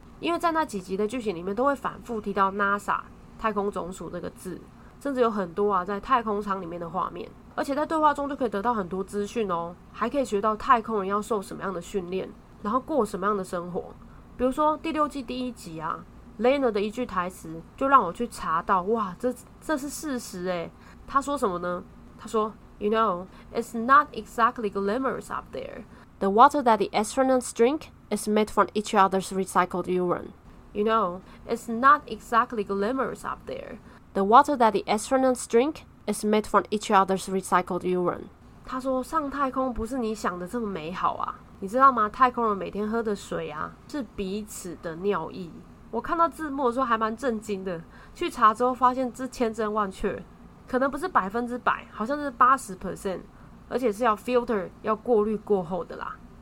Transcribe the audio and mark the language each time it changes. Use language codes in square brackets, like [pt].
[zh] 因为在那几集的剧情里面都会反复提到 NASA 太空总署这个字，甚至有很多啊在太空舱里面的画面，而且在对话中就可以得到很多资讯哦，还可以学到太空人要受什么样的训练，然后过什么样的生活。比如说第六季第一集啊，Lena 的一句台词就让我去查到，哇，这是事实耶。他说什么呢？他说 [en] You know, it's not exactly glamorous up there. The water that the astronauts drink is made from each other's recycled urine. You know, it's not exactly glamorous up there. The water that the astronauts drink is made from each other's recycled urine. [zh] 他说上太空不是你想的这么美好啊，你知道吗？太空人每天喝的水啊是彼此的尿液。我看到字幕的时候还蛮震惊的，去查之后发现这千真万确，可能不是百分之百，好像是 80%， 而且是要 filter 要过滤过后的啦。